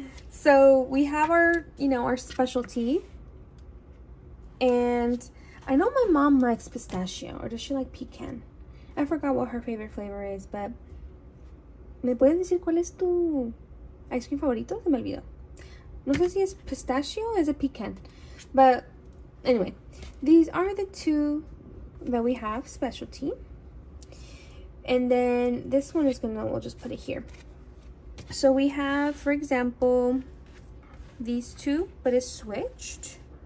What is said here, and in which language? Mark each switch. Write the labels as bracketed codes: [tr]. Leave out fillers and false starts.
[en] So we have our specialty. And I know my mom likes pistachio, or does she like pecan? I forgot what her favorite flavor is, but [es] ¿me puedes decir cuál es tu [en] ice cream [es] favorito? Se me olvidó. No sé si es pistachio o es a pecan. [en] But anyway, these are the two that we have specialty. And then this one is gonna, we'll just put it here. So we have, for example, these two, but it's switched.